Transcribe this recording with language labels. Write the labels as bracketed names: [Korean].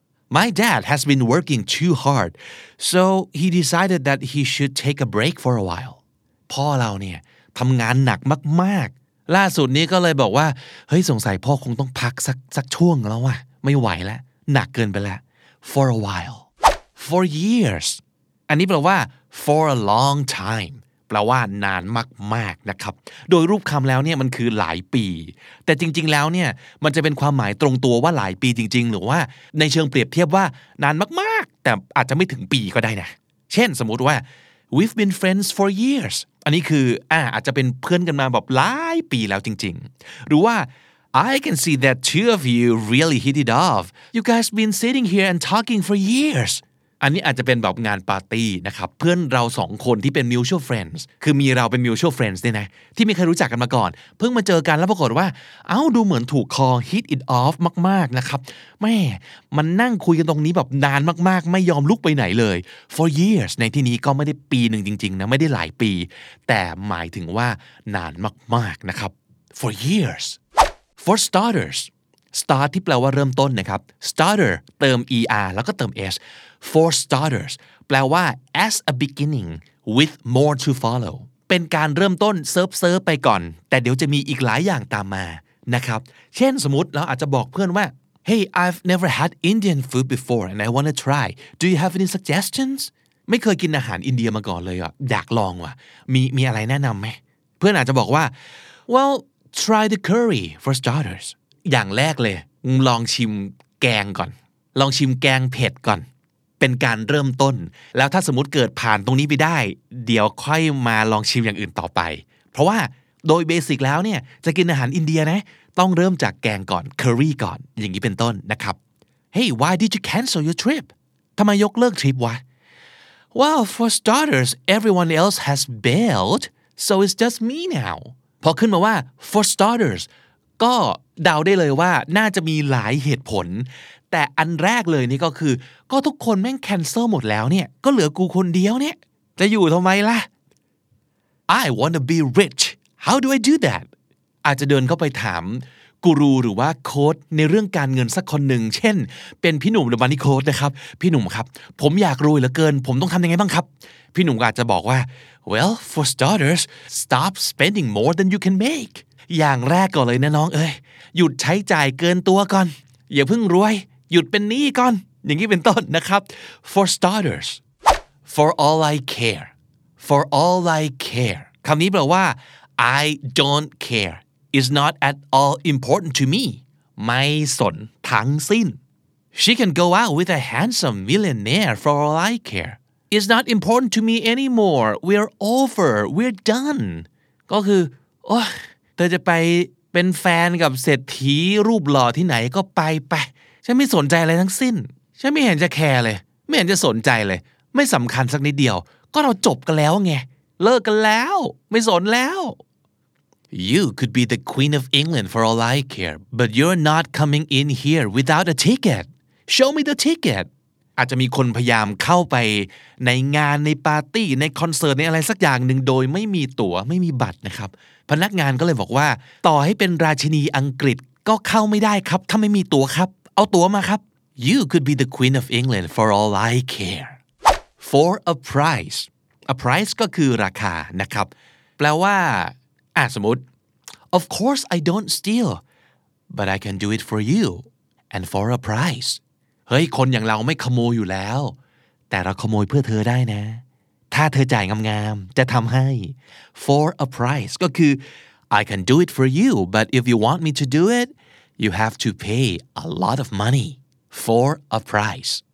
[English] My dad has been working too hard so he decided that he should take a break for a while [Thai] พ่อเราเนี่ยทำงานหนักมากๆล่าสุดนี้ก็เลยบอกว่าเฮ้ยสงสัยพ่อคงต้องพักสักช่วงแล้ววะไม่ไหวแล้วหนักเกินไปแล้ว [English] for a while for years [Thai] อันนี้แปลว่า [English] for a long time [Thai] แปลว่านานมากๆนะครับโดยรูปคำแล้วเนี่ยมันคือหลายปีแต่จริงๆแล้วเนี่ยมันจะเป็นความหมายตรงตัวว่าหลายปีจริงๆหรือว่าในเชิงเปรียบเทียบว่านานมากๆแต่อาจจะไม่ถึงปีก็ได้นะเช่นสมมติว่า [English] we've been friends for years [Thai] อันนี้คืออาจจะเป็นเพื่อนกันมาแบบหลายปีแล้วจริงๆหรือว่า [English] I can see that two of you really hit it off. You guys been sitting here and talking for years. [Thai] อันนี้อาจจะเป็นแบบงานปาร์ตี้นะครับเพื่อนเราสองคนที่เป็น mutual friends คือมีเราเป็น mutual friends เนี่ยนะที่ไม่เคยรู้จักกันมาก่อนเพิ่งมาเจอกันแล้วปรากฏว่าเอ้าดูเหมือนถูกคอ hit it off มากๆนะครับแม่มันนั่งคุยกันตรงนี้แบบนานมากๆไม่ยอมลุกไปไหนเลย for years ในที่นี้ก็ไม่ได้ปีหนึ่งจริงๆนะไม่ได้หลายปีแต่หมายถึงว่านานมากๆนะครับ [English] for years for starters [Thai] start ที่แปลว่าเริ่มต้นนะครับ starter เติม er แล้วก็เติม s for starters แปลว่า [English] as a beginning with more to follow [Thai] เป็นการเริ่มต้นเซิร์ฟๆไปก่อนแต่เดี๋ยวจะมีอีกหลายอย่างตามมานะครับเช่นสมมติเราอาจจะบอกเพื่อนว่า [English] hey I've never had Indian food before and I want to try do you have any suggestions [Thai] ไม่เคยกินอาหารอินเดียมาก่อนเลยอ่ะอยากลองว่ะมีอะไรแนะนำไหมเพื่อนอาจจะบอกว่า [English] well try the curry for starters [Thai] อย่างแรกเลยลองชิมแกงก่อนลองชิมแกงเผ็ดก่อนเป็นการเริ่มต้นแล้วถ้าสมมติเกิดผ่านตรงนี้ไปได้เดี๋ยวค่อยมาลองชิมอย่างอื่นต่อไปเพราะว่าโดยเบสิกแล้วเนี่ยจะกินอาหารอินเดียนะต้องเริ่มจากแกงก่อนเคอรี่ก่อนอย่างนี้เป็นต้นนะครับ [English] Hey why did you cancel your trip [Thai] ทำไมยกเลิกทริปวะ [English] Well for starters everyone else has bailed so it's just me now [Thai] พอขึ้นมาว่า for starters ก็เดาได้เลยว่าน่าจะมีหลายเหตุผลแต่อันแรกเลยนี่ก็คือก็ทุกคนแม่งแคนเซิลหมดแล้วเนี่ยก็เหลือกูคนเดียวเนี่ยจะอยู่ทำไมล่ะ [English] I want to be rich how do I do that [Thai] อาจจะเดินเข้าไปถามกูรูหรือว่าโค้ดในเรื่องการเงินสักคนหนึ่งเช่นเป็นพี่หนุ่มหรือมันนี่โค้ดนะครับพี่หนุ่มครับผมอยากรวยเหลือเกินผมต้องทำยังไงบ้างครับพี่หนุ่มอาจจะบอกว่า [English] well for starters stop spending more than you can make [Thai] อย่างแรกก่อนเลยนะน้องเอ้ยหยุดใช้จ่ายเกินตัวก่อนอย่าเพิ่งรวยหยุดเป็นหนี้ก่อนอย่างนี้เป็นต้นนะครับ [English] for starters for all I care for all I care [Thai] คำนี้แปลว่า [English] I don't care is not at all important to me [Thai] ไม่สนทั้งสิ้น [English] she can go out with a handsome millionaire for all I care is not important to me anymore we're over we're done [Thai] ก็คือโอ๊ยเธอจะไปเป็นแฟนกับเศรษฐีรูปหล่อที่ไหนก็ไปฉันไม่สนใจอะไรทั้งสิ้นฉันไม่เห็นจะแคร์เลยไม่เห็นจะสนใจเลยไม่สำคัญสักนิดเดียวก็เราจบกันแล้วไงเลิกกันแล้วไม่สนแล้ว [English] You could be the Queen of England for all I care but you're not coming in here without a ticket Show me the ticket [Thai] อาจจะมีคนพยายามเข้าไปในงานในปาร์ตี้ในคอนเสิร์ตในอะไรสักอย่างหนึ่งโดยไม่มีตั๋วไม่มีบัตรนะครับพนักงานก็เลยบอกว่าต่อให้เป็นราชินีอังกฤษก็เข้าไม่ได้ครับถ้าไม่มีตั๋วครับเอาตั๋วมาครับ [English] You could be the Queen of England for all I care for a price a price [Thai] ก็คือราคานะครับแปลว่าสมมุติ [English] of course I don't steal but I can do it for you and for a price [Thai] เฮ้ยคนอย่างเราไม่ขโมยอยู่แล้วแต่เราขโมยเพื่อเธอได้นะถ้าเธอจ่ายงามๆจะทำให้ [English] for a price [Thai] ก็คือ [English] I can do it for you but if you want me to do itYou have to pay a lot of money for a price.